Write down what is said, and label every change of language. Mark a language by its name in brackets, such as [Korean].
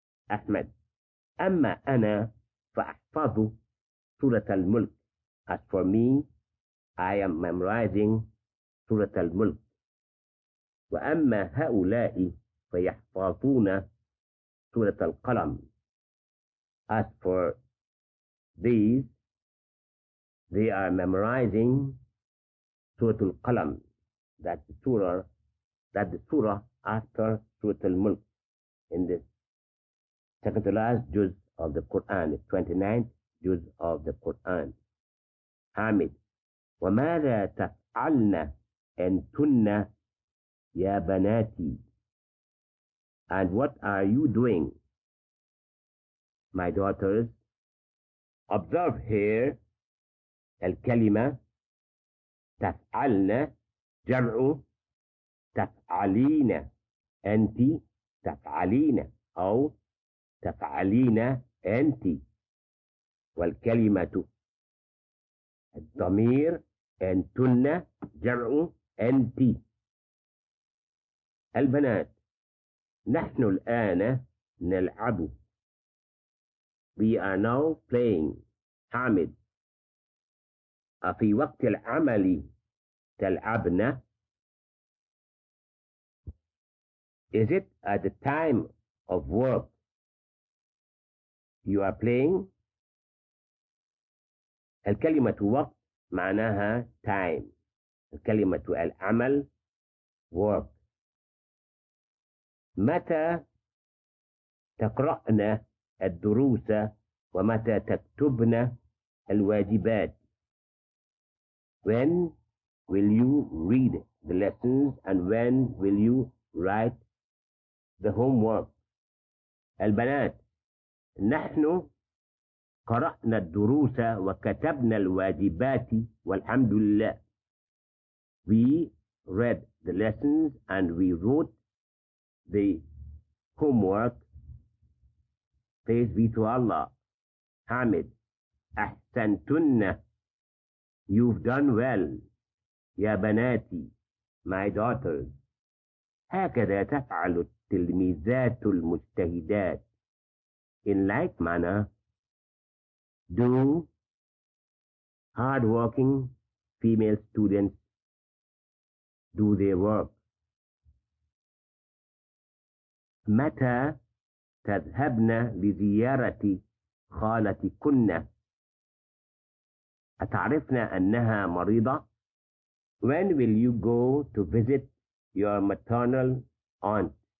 [Arabic] أحمد. أما أنا فأحفظ سورة الملك. [English] As for me, I am memorizing سورة الملك. [Arabic] وأما هؤلاء فيحفظون سورة القلم. [English] As for these, they are memorizing سورة القلم. That's the surah after سورة الملك. In the second to last juz of the Quran, the 29th juz of the Quran. حامد. [Arabic] وماذا تفعلن أنتن يا بناتي؟ [English] And what are you doing, my daughters? Observe here, [Arabic] الكلمة تفعلن جمع تفعلين أنت تفعلين أو تفعلين أنت. والكلمة الضمير أنتن جمع أنت. البنات نحن الآن نلعب. [English] We are now playing. حامد. [Arabic] أفي وقت العمل تلعبنا؟ [English] Is it at the time of work you are playing? [Arabic] الكلمة وقت معناها time. الكلمة العمل work. متى تقرأنا الدروس ومتى تكتبنا الواجبات؟ [English] When will you read the lessons and when will you write the homework? [Arabic] البنات نحن قرأنا الدروس وكتبنا الواجبات والحمد لله. [English] We read the lessons and we wrote the homework. Praise be to Allah. Hamid. [Arabic] أحسنتن. [English] You've done well. [Arabic] يا بناتي. [English] My daughters. [Arabic] هكذا تفعل التلميذات المجتهدات. [English] In like manner, do hard-working female students do their work. [Arabic] متى تذهبن لزيارة خالتكن؟ أتعرفن أنها مريضة؟ [English] When will you go to visit your maternal aunt?